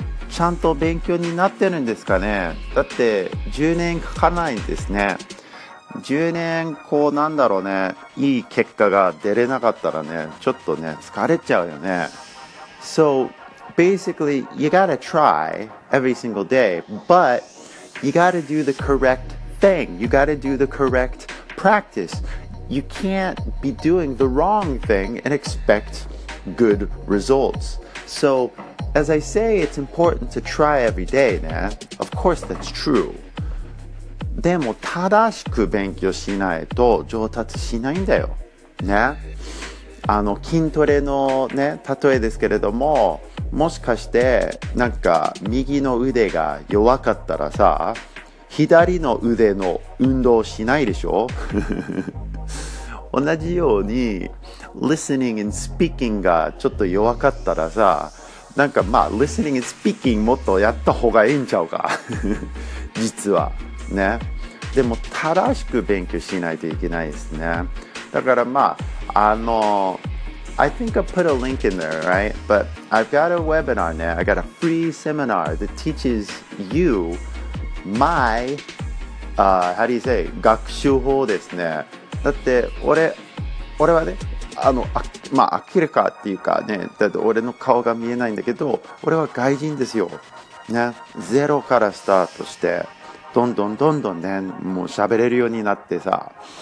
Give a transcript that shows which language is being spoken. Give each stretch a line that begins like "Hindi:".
Japanese: ちゃんと勉強になってるんですかね？だって10年かかないんですね。 10年こうなんだろうね、いい結果が出れなかったらね、ちょっとね疲れちゃうよね。
English: So basically you gotta try every single day, but you gotta do the correct thing. You gotta do the correct practice. You can't be doing the wrong thing and expect good results. So, as I say, it's important to try every day, ね? Of course, that's true.
Japanese: でも、正しく勉強しないと上達しないんだよ。ね? 筋トレのね、例えですけれども、もしかして、なんか、右の腕が弱かったらさ、左の腕の運動しないでしょ? 同じように
English: listening and speaking
Japanese: がちょっと弱かったらさ、なんかまあ listening and speaking もっとやった方がいいんちゃうか。実はね、でも正しく勉強しないといけないですね。だからまあ
English: I think I put a link in there, right? But I've got a webinar now. I got a free seminar that teaches you my how do you say
Japanese: 学習法ですね。だって俺はね、まあ、明らかっていうかね、だって俺の顔が見えないんだけど、俺は外人ですよ。ね、ゼロからスタートして、どんどんどんどんね、もう喋れるようになってさ。